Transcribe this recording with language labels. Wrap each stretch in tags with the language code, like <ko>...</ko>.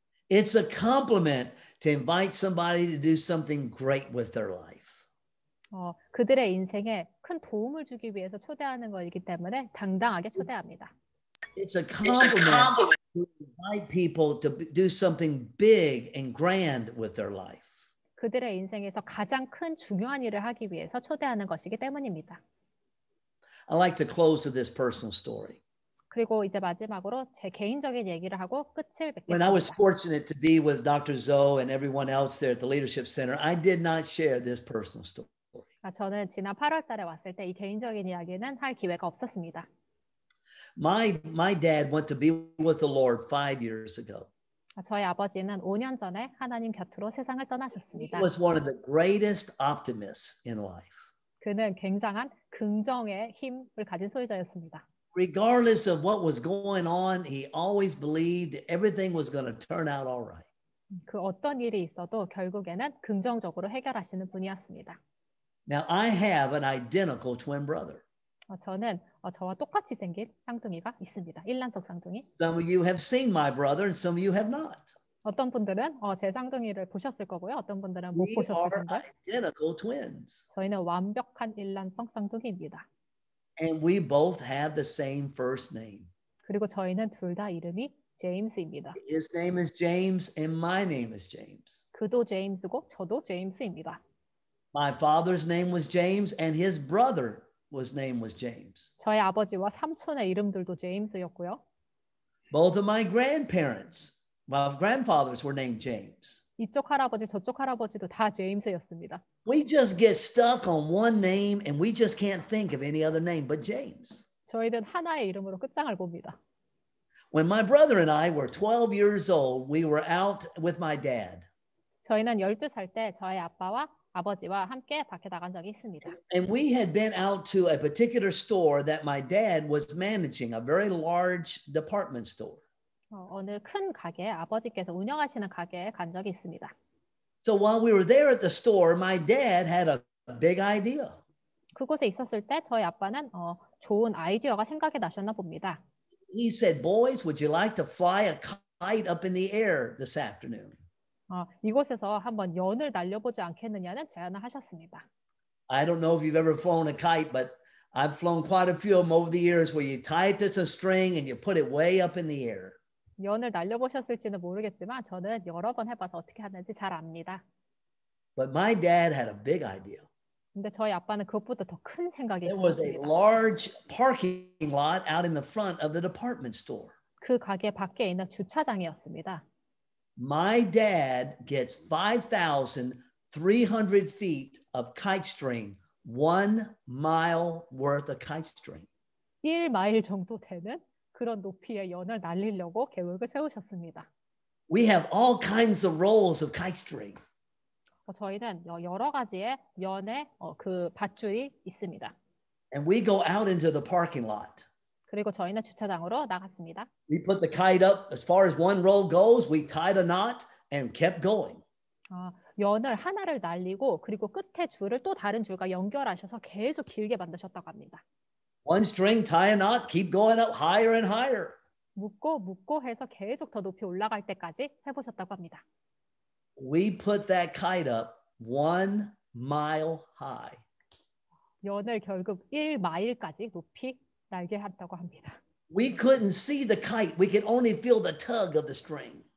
<en>It's a compliment to invite somebody to do something great with their life.</en> <ko>그들의 인생에 큰 도움을 주기 위해서 초대하는 것이기 때문에 당당하게 초대합니다.</ko> <en>It's a compliment to invite people to do something big and grand with their life.</en> <ko>그들의 인생에서 가장 큰 중요한 일을 하기 위해서 초대하는 것이기 때문입니다.</ko> <en>I like to close with this personal story.</en> <ko>그리고 이제 마지막으로 제 개인적인 얘기를 하고 끝을 맺겠습니다.</ko> <en>When I was fortunate to be with Dr. Zoe and everyone else there at the Leadership Center, I did not share this personal story.</en> <ko>저는 지난 8월 달에 왔을 때 이 개인적인 이야기는 할 기회가 없었습니다.</ko> <en>My dad went to be with the Lord 5 years ago.</en> <ko>저희 아버지는 5년 전에 하나님 곁으로 세상을 떠나셨습니다.</ko> <en>He was one of the greatest optimists in life.</en> <ko>그는 굉장한 긍정의 힘을 가진 소유자였습니다.</ko> <en>Regardless of what was going on, he always believed everything was going to turn out all right.</en> <ko>그 어떤 일이 있어도 결국에는 긍정적으로 해결하시는 분이었습니다.</ko> <en>Now I have an identical twin brother.</en> <ko>저는 저와 똑같이 생긴 쌍둥이가 있습니다. 일란석 쌍둥이.</ko> <en>Some of you have seen my brother and some of you have not.</en> <ko>어떤 분들은 제 쌍둥이를 보셨을 거고요. 어떤 분들은 못 보셨을 텐데.</ko> <en>We are identical twins.</en> <ko>저희는 완벽한 일란성 쌍둥이입니다.</ko> <en>And we both have the same first name.</en> <ko>그리고 저희는 둘 다 이름이 제임스입니다.</ko> <en>His name is James and my name is James.</en> <ko>그도 제임스고 저도 제임스입니다.</ko> <en>My father's name was James and his brother was name was James.</en> <ko>저희 아버지와 삼촌의 이름들도 제임스였고요.</ko> <en>Both of my grandparents, my grandfathers were named James.</en> <ko>이쪽 할아버지 저쪽 할아버지도 다 제임스였습니다.</ko> <en>We just get stuck on one name and we just can't think of any other name but James.</en> <ko>저희는 하나의 이름으로 끝장을 봅니다.</ko> <en>When my brother and I were 12 years old, we were out with my dad.</en> <ko>저희는 12살 때 저희 아빠와 아버지와 함께 밖에 나간 적이 있습니다.</ko> <en>And we had been out to a particular store that my dad was managing, a very large department store.</en> <ko>어느 큰 가게 아버지께서 운영하시는 가게에 간 적이 있습니다.</ko> <en>So while we were there at the store, my dad had a big idea.</en> <ko>그곳에 있었을 때 저희 아빠는 좋은 아이디어가 생각이 나셨나 봅니다.</ko> <en>He said, "Boys, would you like to fly a kite up in the air this afternoon?"</en> <ko>이곳에서 한번 연을 날려보지 않겠느냐는 제안을 하셨습니다.</ko> <en>I don't know if you've ever flown a kite, but I've flown quite a few of them over the years where you tie it to some string and you put it way up in the air.</en> <ko>연을 날려보셨을지는 모르겠지만 저는 여러 번 해봐서 어떻게 하는지 잘 압니다.</ko> <en>But my dad had a big idea.</en> <ko>근데 저희 아빠는 그것보다 더 큰 생각이</ko> <en>There was a large parking lot out in the front of the department store.</en> <ko>그 가게 밖에 있는 주차장이었습니다.</ko> <en>My dad gets 5,300 feet of kite string, 1 mile worth of kite string.</en> <ko>1마일 정도 되는 그런 높이의 연을 날리려고 계획을 세우셨습니다.</ko> <en>We have all kinds of rolls of kite string.</en> <ko>저희는 여러 가지의 연의 그 밧줄이 있습니다.</ko> <en>And we go out into the parking lot.</en> <ko>그리고 저희는 주차장으로 나갔습니다.</ko> <en>We put the kite up as far as one roll goes. We tied a knot and kept going.</en> <ko>연을 하나를 날리고 그리고 끝에 줄을 또 다른 줄과 연결하셔서 계속 길게 만드셨다고 합니다.</ko> <en>One string, tie a knot, keep going up higher and higher.</en> <ko>묶고 묶고 해서 계속 더 높이 올라갈 때까지 해보셨다고 합니다.</ko> <en>We put that kite up 1 mile high.</en> <ko>연을 결국 1마일까지 높이 날게 했다고 합니다.</ko> <en>We couldn't see the kite. We could only feel the tug of the string.</en>